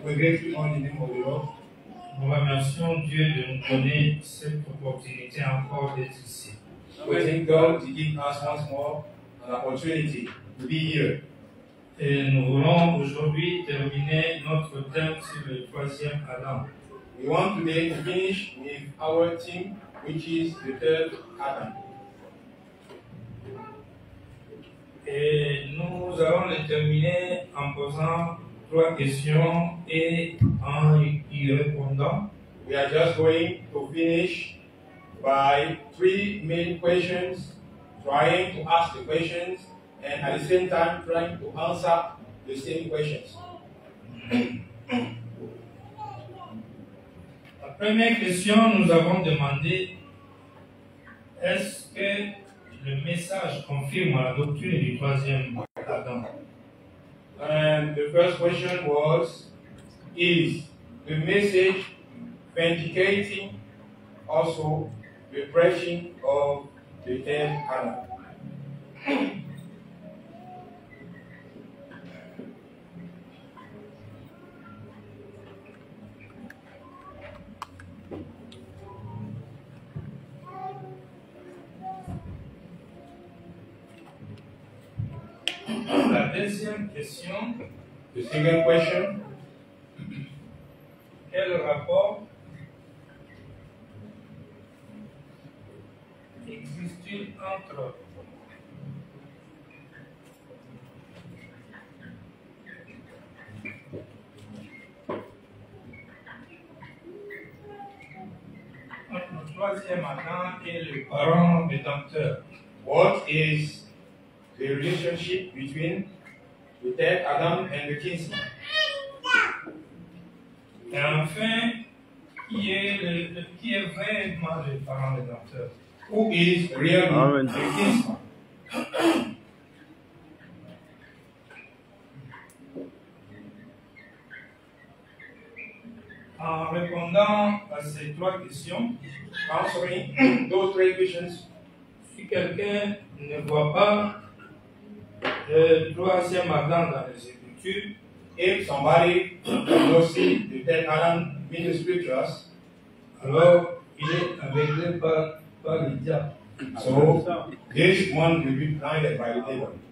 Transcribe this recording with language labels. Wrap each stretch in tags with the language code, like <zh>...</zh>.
<fr>Nous remercions Dieu de nous donner cette opportunité encore d'être ici. Amen.</fr> <en>praising God to give us once more an opportunity to be here.</en> <fr>Et nous voulons aujourd'hui terminer notre thème sur le troisième Adam.</fr> <en>We want to finish with our theme, which is the third Adam.</en> <fr>Et nous allons le terminer en posant trois questions et en y répondant.</fr> <en>We are just going to finish by three main questions, trying to ask the questions, and at the same time trying to answer the same questions.</en> <fr>La première question, nous avons demandé, est-ce que le message confirme la doctrine du troisième Adam?</fr> <en>And the first question was, is the message vindicating also the preaching of the third Adam?</en> <fr>La deuxième question.</fr> <en>The second question.</en> <fr>Quel rapport existe-t-il entre le troisième Adam et le parent rédempteur?</fr> <en>What is the relationship between the dead Adam and the kinsman?</en> <fr>Et enfin, qui est vraiment le parent rédempteur?</fr> <en>Who is really Amen. The kinsman?</en> <fr>En répondant à ces trois questions,</fr> <en>answering those three questions,</en> <fr>si quelqu'un ne voit pas le troisième Adam dans les Écritures,</fr> <en>if somebody does not see the third Adam in the Scriptures,</en> <fr>alors il est aveuglé par le diable.</fr> <en>So this one will be blinded by the devil.</en>